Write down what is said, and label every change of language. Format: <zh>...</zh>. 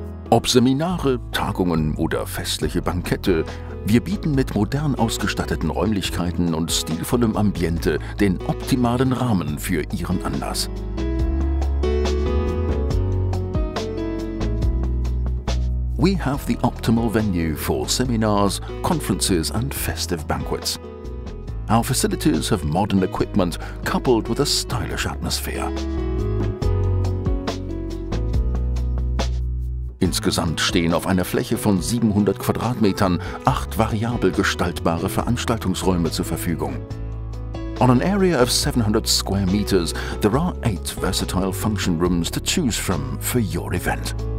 <de>Ob Seminare, Tagungen oder festliche Bankette, wir bieten mit modern ausgestatteten Räumlichkeiten und stilvollem Ambiente den optimalen Rahmen für Ihren Anlass.</de> <en>We have the optimal venue for seminars, conferences and festive banquets. Our facilities have modern equipment coupled with a stylish atmosphere.</en> <de>Insgesamt stehen auf einer Fläche von 700 Quadratmetern 8 variabel gestaltbare Veranstaltungsräume zur Verfügung.</de> <en>On an area of 700 square meters, there are 8 versatile function rooms to choose from for your event.</en>